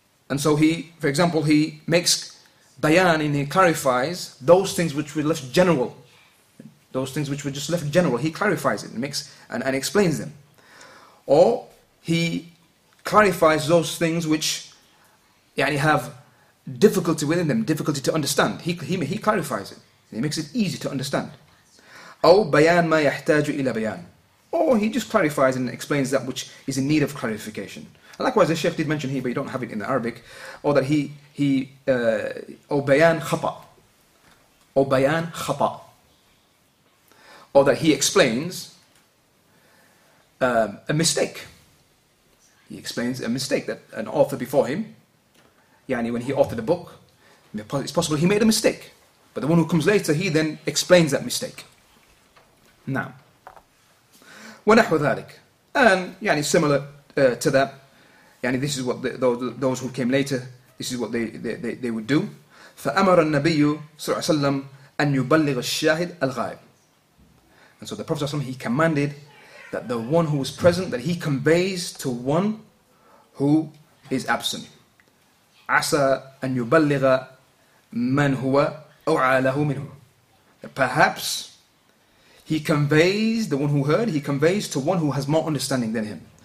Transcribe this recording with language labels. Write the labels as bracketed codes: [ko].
[en] And so he, for example, he makes bayan and he clarifies those things which were left general. Those things which were just left general, he clarifies it and makes and explains them. Or he clarifies those things which يعني have difficulty within them, difficulty to understand. He clarifies it. He makes it easy to understand. [ar] أو بيان ما يحتاج إلى بيان. [en] Or he just clarifies and explains that which is in need of clarification. And likewise, the Sheikh did mention here, but you don't have it in the Arabic, or that he [ar] أو بيان خطأ. أو بيان خطأ. [en] Or that he explains a mistake. He explains a mistake that an author before him, يعني when he authored a book, it's possible he made a mistake. But the one who comes later, he then explains that mistake. [ar] Now, ونحو ذلك. [en] And يعني similar to that, يعني this is what those who came later, this is what they would do. [ar] فأمر النبي صلى الله عليه وسلم أن يبلغ الشاهد الغائب. [en] And so the Prophet ﷺ, he commanded that the one who was present, that he conveys to one who is absent. [ar] عَسَىٰ أَنْ يُبَلِّغَ مَنْ هُوَ أَوْعَى لَهُ مِنْهُ. [en] Perhaps he conveys, the one who heard, he conveys to one who has more understanding than him.